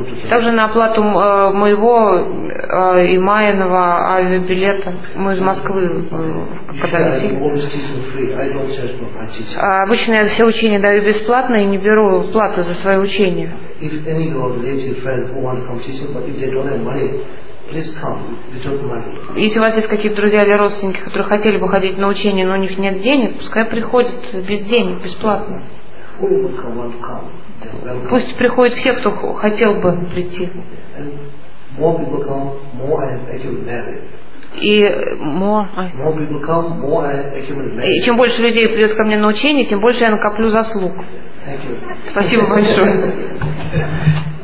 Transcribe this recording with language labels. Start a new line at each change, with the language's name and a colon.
Russian: Также на оплату моего и Майяного авиабилета. Мы из Москвы когда летели. Обычно я все учения даю бесплатно и не беру плату за свое учение.
English: If any of your related friend who want to come teaching, but if they don't have money, please come without money.
Russian: Если у вас есть какие-то друзья или родственники, которые хотели бы ходить на учение, но у них нет денег, пускай приходят без денег, бесплатно.
English: Who would come, want to come? Welcome.
Russian: Пусть приходят все, кто хотел бы прийти.
English: And more people come, more I actually marry.
Russian: И и чем больше людей придет ко мне на учение, тем больше я накоплю заслуг. Спасибо большое.